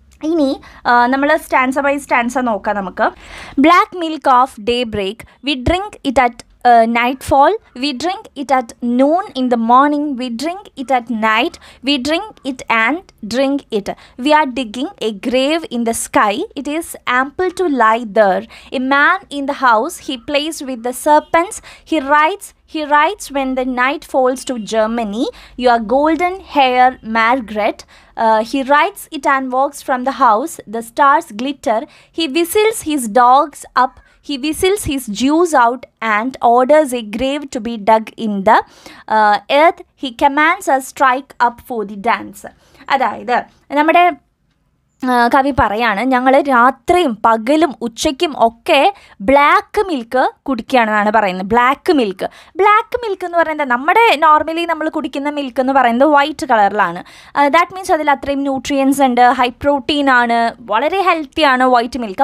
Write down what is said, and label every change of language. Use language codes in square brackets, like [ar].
[ml] ഇനി നമ്മൾ stanza by stanza നോക്കാം. നമുക്ക് [en] Black milk of daybreak, we drink it at nightfall, we drink it at noon in the morning, we drink it at night, we drink it and drink it, we are digging a grave in the sky, it is ample to lie there, a man in the house he plays with the serpents, he writes He writes when the night falls to Germany, your golden hair, Margaret. He writes it and walks from the house, the stars glitter. He whistles his dogs up, he whistles his Jews out and orders a grave to be dug in the earth. He commands a strike up for the dance. [ml] അതായത് നമ്മുടെ കവി പറയാണ്, ഞങ്ങൾ രാത്രിയും പകലും ഉച്ചയ്ക്കും ഒക്കെ black milk കുടിക്കുകയാണെന്നാണ് പറയുന്നത്. ബ്ലാക്ക് മിൽക്ക്, ബ്ലാക്ക് മിൽക്ക് എന്ന് പറയുന്നത് നമ്മുടെ നോർമലി നമ്മൾ കുടിക്കുന്ന മിൽക്ക് എന്ന് പറയുന്നത് വൈറ്റ് കളറിലാണ്. [en] that means [ml] അതിൽ അത്രയും ന്യൂട്രിയൻസ് ഉണ്ട്, ഹൈ പ്രോട്ടീൻ ആണ്, വളരെ ഹെൽത്തി ആണ് വൈറ്റ് മിൽക്ക്.